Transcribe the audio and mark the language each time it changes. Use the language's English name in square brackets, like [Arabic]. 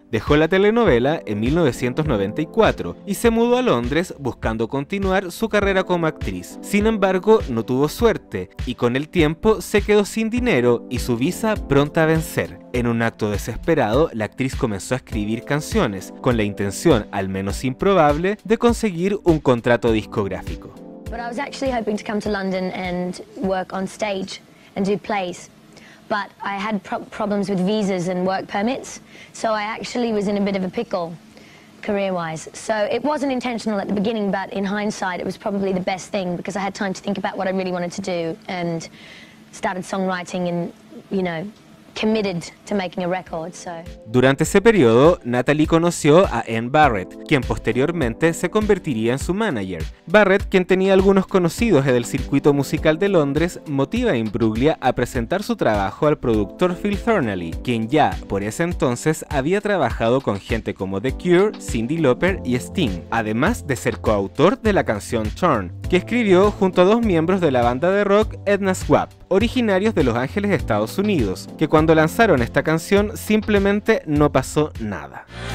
[Spanish] Dejó la telenovela en 1994 y se mudó a Londres buscando continuar su carrera como actriz. Sin embargo, no tuvo suerte y con el tiempo se quedó sin dinero y su visa pronta a vencer. En un acto desesperado, la actriz comenzó a escribir canciones con la intención, al menos improbable, de conseguir un contrato discográfico. [English] But I was actually hoping to come to London and work on stage and do plays. But I had problems with visas and work permits, so I actually was in a bit of a pickle career-wise. So it wasn't intentional at the beginning, but in hindsight it was probably the best thing because I had time to think about what I really wanted to do and started songwriting and, you know, committed to making a record, so. [Spanish] Durante ese periodo, Natalie conoció a Ann Barrett, quien posteriormente se convertiría en su manager. Barrett, quien tenía algunos conocidos en el circuito musical de Londres, motiva a Imbruglia a presentar su trabajo al productor Phil Thornalley, quien ya, por ese entonces, había trabajado con gente como The Cure, Cyndi Lauper y Sting, además de ser coautor de la canción Torn, que escribió junto a dos miembros de la banda de rock Edna Swap, originarios de Los Ángeles, Estados Unidos, que cuando lanzaron esta canción simplemente no pasó nada.